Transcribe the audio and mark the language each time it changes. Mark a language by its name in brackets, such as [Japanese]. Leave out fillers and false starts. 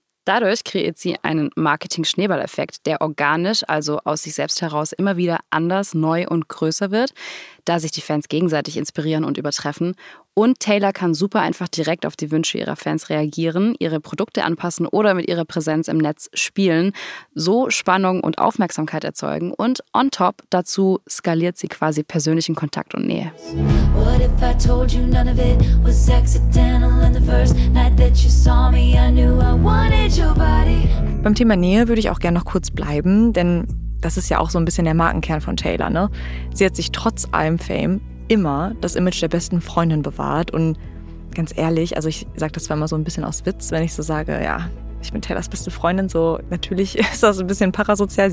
[German] Dadurch kreiert sie einen Marketing-Schneeballeffekt, der organisch, also aus sich selbst heraus, immer wieder anders, neu und größer wird, da sich die Fans gegenseitig inspirieren und übertreffen. Und Taylor kann super einfach direkt auf die Wünsche ihrer Fans reagieren, ihre Produkte anpassen oder mit ihrer Präsenz im Netz spielen, so Spannung und Aufmerksamkeit erzeugen. Und on top dazu skaliert sie quasi persönlichen Kontakt und Nähe. [English] What if I told you none of it was accidental in the first night that you saw me, I knew I wanted your body. [German] Beim Thema Nähe würde ich auch gerne noch kurz bleiben, denn das ist ja auch so ein bisschen der Markenkern von Taylor, ne? Sie hat sich trotz allem Fame immer das Image der besten Freundin bewahrt. Und ganz ehrlich, also ich sage das zwar immer so ein bisschen aus Witz, wenn ich so sage, ja, ich bin Taylors beste Freundin, so natürlich ist das ein bisschen parasozial.